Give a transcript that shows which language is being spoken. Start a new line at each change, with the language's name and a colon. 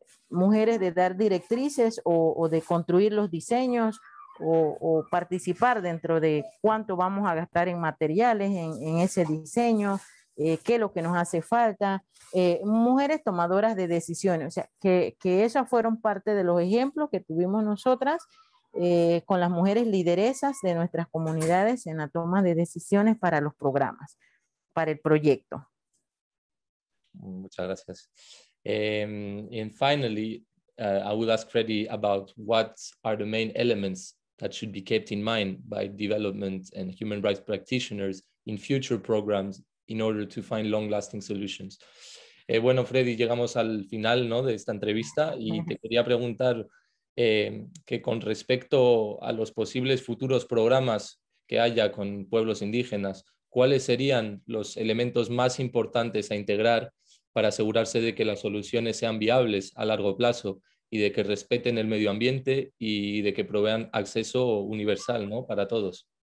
Spanish: mujeres de dar directrices o de construir los diseños o participar dentro de cuánto vamos a gastar en materiales en ese diseño, qué es lo que nos hace falta, mujeres tomadoras de decisiones, o sea, que esas fueron parte de los ejemplos que tuvimos nosotras con las mujeres lideresas de nuestras comunidades en la toma de decisiones para los programas, para el proyecto. Muchas gracias.
English: And finally, I would ask Fredy about what are the main elements that should be kept in mind by development and human rights practitioners in future programs in order to find long-lasting solutions.
Spanish: Bueno, Fredy, llegamos al final, ¿no?, de esta entrevista y te quería preguntar que con respecto a los posibles futuros programas que haya con pueblos indígenas, ¿cuáles serían los elementos más importantes a integrar para asegurarse de que las soluciones sean viables a largo plazo y de que respeten el medio ambiente y de que provean acceso universal, ¿no?, para todos?